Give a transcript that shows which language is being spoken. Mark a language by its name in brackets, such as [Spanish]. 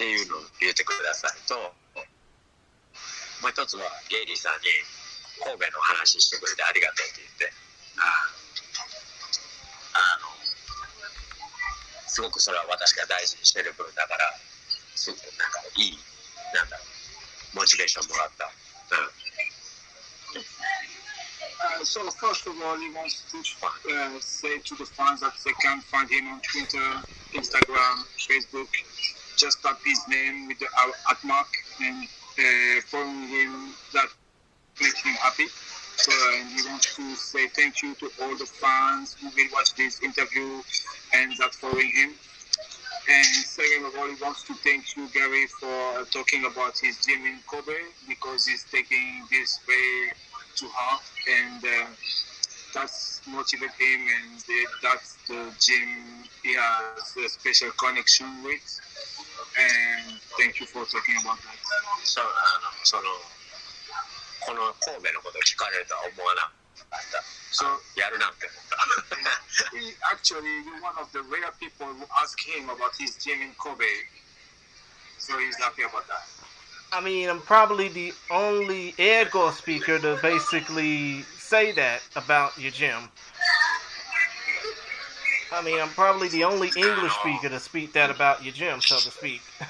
[Japanese] ていうのを言ってくださいと、もう一つはゲイリーさんに神戸の話してくれてありがとうって言って、あのすごくそれは私が大事にしてる分だから、すごくなんかいい、なんだろう、モチベーションもらった。 [English] So first of all, he wants to say to the fans that they can find him on Twitter, Instagram, Facebook. Just type his name with the at mark and following him, that makes him happy. So he wants to say thank you to all the fans who will watch this interview and that following him. And second of all, he wants to thank you, Gary, for talking about his gym in Kobe, because he's taking this way to heart, and that's motivated him, and that's the gym he has a special connection with, and thank you for talking about that. [Japanese] So, この神戸のこと聞かれるとは思わなかった。 So, やるなって思った。 [English] He actually, you're one of the rare people who ask him about his gym in Kobe. So he's happy about that. I mean, I'm probably the only Ergo speaker to basically say that about your gym. I mean, I'm probably the only English speaker to speak that about your gym, so to speak.